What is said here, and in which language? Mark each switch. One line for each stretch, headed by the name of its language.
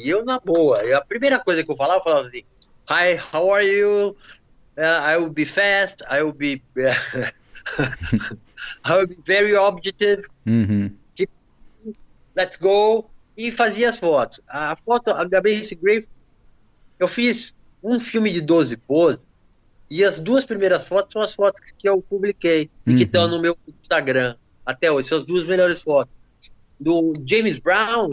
Portuguese: E eu, na boa, a primeira coisa que eu falava assim:
English: Hi, how are you? I will be fast, I will be very objective. Let's go.
Portuguese: E fazia as fotos. A foto, a Gabi Grey, eu fiz um filme de 12 poses, e as duas primeiras fotos são as fotos que eu publiquei e que estão no meu Instagram até hoje. São as duas melhores fotos. Do James Brown.